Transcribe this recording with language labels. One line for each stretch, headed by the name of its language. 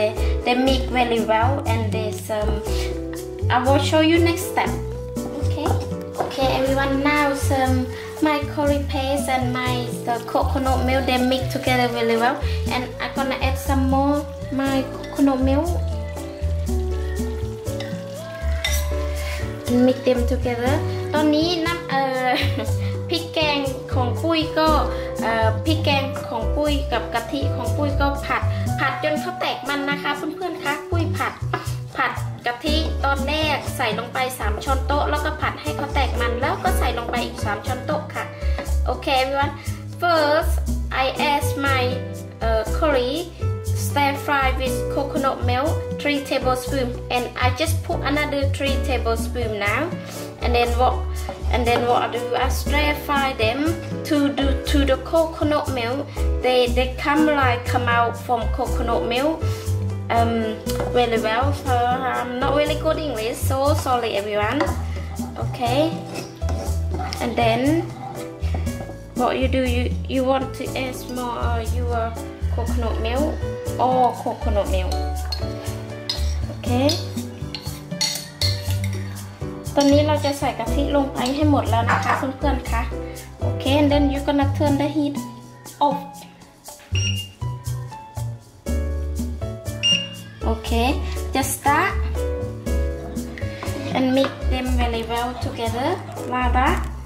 English: They mix really well, and this I will show you next step. Okay, everyone, now some. My curry paste and my coconut milk, they mix together really well. And I'm gonna add some more my coconut milk. Mix them together.
Thai: ตอนนี้น้ำพริกแกงของปุ้ยก็พริกแกงของปุ้ยกับกะทิของปุ้ยก็ผัดจนเขาแตกมันนะคะเพื่อนๆคะปุ้ยผัด กะทิตอนแรกใส่ลงไป3ช้อนโต๊ะแล้วก็ผัดให้เขาแตกมันแล้วก็ใส่ลงไปอีก3ช้อนโต๊ะค่ะ
English: โอเค everyone first I add my curry stir fry with coconut milk 3 tablespoon and I just put another 3 tablespoon now and then what I do I stir fry them to the coconut milk they come out from coconut milkReally well. So I'm not really good English. So sorry, everyone. Okay. And then, what you do? You want to add more your coconut milk or coconut milk? Okay.
Thai: ตอนนี้เราจะใส่กะทิลงไปให้หมดแล้วนะคะเพื่อนๆค่ะ Okay.
English: And then you're gonna turn the heat off. Okay, just start and mix them really well together like that.